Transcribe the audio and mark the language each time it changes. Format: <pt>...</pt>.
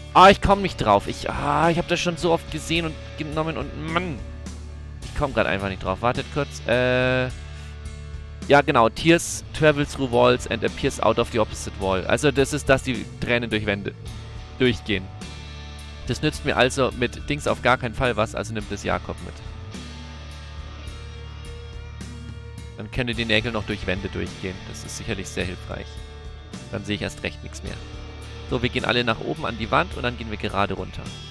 <de>Ich komm nicht drauf. Ich habe das schon so oft gesehen und genommen und Mann. Ich komm gerade einfach nicht drauf. Wartet kurz. Ja, genau.</de> <en>Tears travel through walls and appears out of the opposite wall.</en> <de>Also, das ist, dass die Tränen durch Wände durchgehen. Das nützt mir also mit Dings auf gar keinen Fall was, also nimmt das Jakob mit. Dann können die Nägel noch durch Wände durchgehen. Das ist sicherlich sehr hilfreich. Dann sehe ich erst recht nichts mehr. So, wir gehen alle nach oben an die Wand und dann gehen wir gerade runter.</de>